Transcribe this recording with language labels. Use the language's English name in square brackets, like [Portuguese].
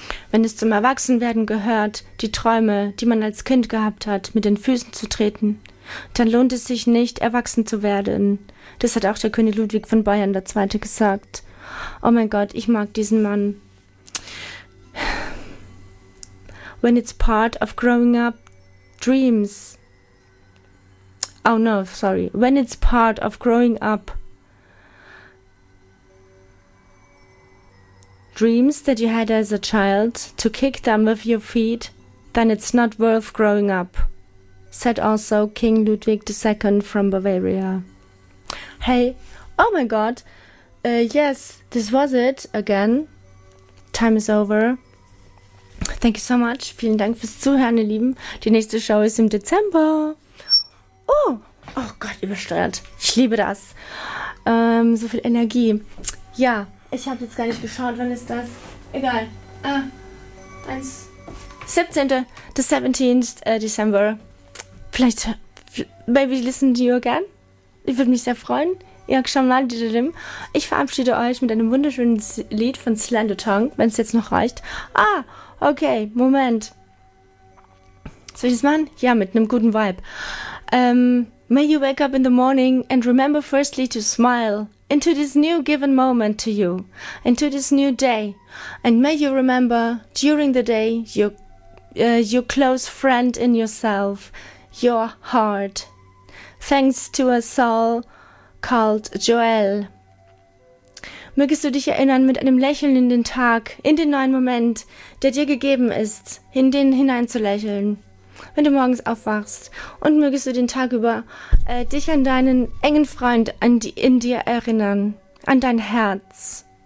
[German] Wenn es zum Erwachsenwerden gehört, die Träume, die man als Kind gehabt hat, mit den Füßen zu treten, dann lohnt es sich nicht, erwachsen zu werden. Das hat auch der König Ludwig von Bayern II. Gesagt. Oh mein Gott, ich mag diesen Mann. [English] When it's part of growing up, dreams. Oh no, sorry. When it's part of growing up, dreams that you had as a child, to kick them with your feet, then it's not worth growing up, said also King Ludwig II from Bavaria. Hey, oh my god, yes, this was it again. Time is over. Thank you so much. [German] Vielen Dank fürs Zuhören, ihr Lieben. Die nächste Show ist im Dezember. Oh, oh Gott, übersteuert. Ich liebe das. So viel Energie. Ja, ich habe jetzt gar nicht geschaut, wann ist das? Egal. [English] 17. The 17th December. [German] Vielleicht, [English] maybe listen to you again. [German] Ich würde mich sehr freuen. Ich verabschiede euch mit einem wunderschönen Lied von Slender Tongue, wenn es jetzt noch reicht. Ah, okay, Moment. Soll ich das machen? Ja, mit einem guten Vibe. [English] May you wake up in the morning and remember firstly to smile into this new given moment to you, into this new day. And may you remember during the day your close friend in yourself, your heart. Thanks to a soul called Joelle. [German] Mögest du dich erinnern mit einem Lächeln in den Tag, in den neuen Moment, der dir gegeben ist, in den hineinzulächeln, wenn du morgens aufwachst. Und mögest du den Tag über dich an deinen engen Freund in dir erinnern, an dein Herz.